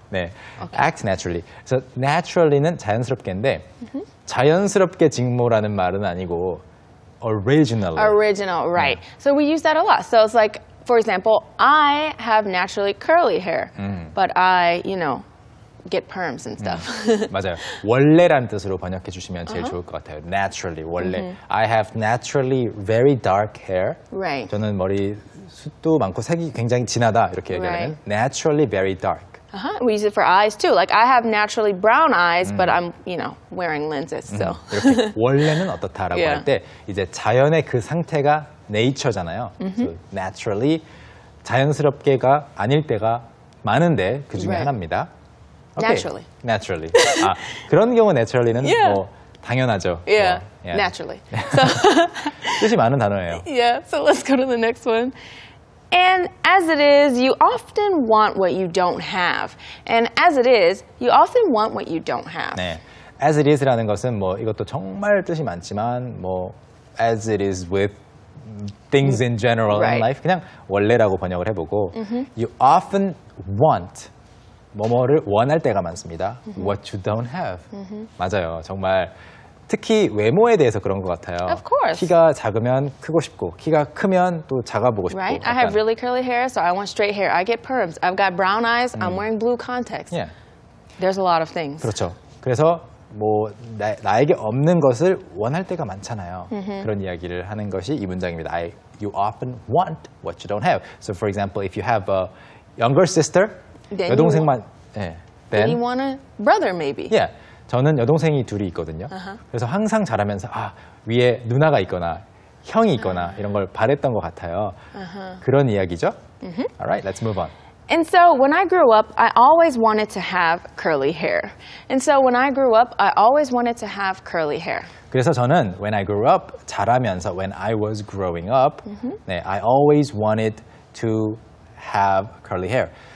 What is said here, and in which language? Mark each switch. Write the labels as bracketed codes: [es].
[ko] 네. [en] Okay. Act naturally. So [ko] naturally는 자연스럽게인데 자연스럽게 직모라는 말은 아니고 originally. [en] Original, right. Yeah. So we use that a lot. So it's like, for example, I have naturally curly hair, but I, you know, get perms and stuff. [ko] 맞아요. 원래라는 뜻으로 번역해 주시면 제일 좋을 것 같아요. [en] Naturally, 원래. I have naturally very dark hair. Right. [ko] 저는 머리 숱도 많고 색이 굉장히 진하다 이렇게 얘기하면 right. [en] naturally very dark. We use it for eyes too. Like I have naturally brown eyes, but I'm, you know, wearing lenses. So [ko] 이렇게 원래는 어떻다라고 yeah. 할 때 이제 자연의 그 상태가 nature잖아요. So naturally 자연스럽게가 아닐 때가 많은데 그 중에 right. 하나입니다. [en] Okay. Naturally. [ko] Naturally. 아, 그런 경우 naturally는 yeah. 뭐 당연하죠. [en] Yeah. Yeah. Naturally. [ko] So 뜻이 많은 단어예요. [en] Yeah. So let's go to the next one. And as it is, you often want what you don't have. And as it is, you often want what you don't have. [ko] 네. As it is라는 것은 뭐 이것도 정말 뜻이 많지만 뭐 [en] as it is with things in general right. in life [ko] 그냥 원래라고 번역을 해보고 [en] you often want [ko] 뭐뭐를 원할 때가 많습니다. [en] What you don't have. [ko] 맞아요. 정말 특히 외모에 대해서 그런 것 같아요. [en] Of course. [ko] 키가 작으면 크고 싶고 키가 크면 또 작아 보고 싶고. [en] Right. 약간. I have really curly hair, so I want straight hair. I get perms. I've got brown eyes. I'm wearing blue contacts. Yeah. There's a lot of things. [ko] 그렇죠. 그래서 뭐 나에게 없는 것을 원할 때가 많잖아요. 그런 이야기를 하는 것이 이 문장입니다. [en] You often want what you don't have. So for example, if you have a younger sister. Then [ko] 여동생만 [en] 예. Then you want a brother maybe. Yeah. [ko] 저는 여동생이 둘이 있거든요. 그래서 항상 자라면서 아, 위에 누나가 있거나 형이 있거나 이런 걸 바랬던 것 같아요. 그런 이야기죠? [en] All right. Let's move on. And so when I grew up, I always wanted to have curly hair. And so when I grew up, I always wanted to have curly hair. [ko] 그래서 저는 [en] when I grew up [ko] 자라면서 [en] when I was growing up, 네, I always wanted to have curly hair.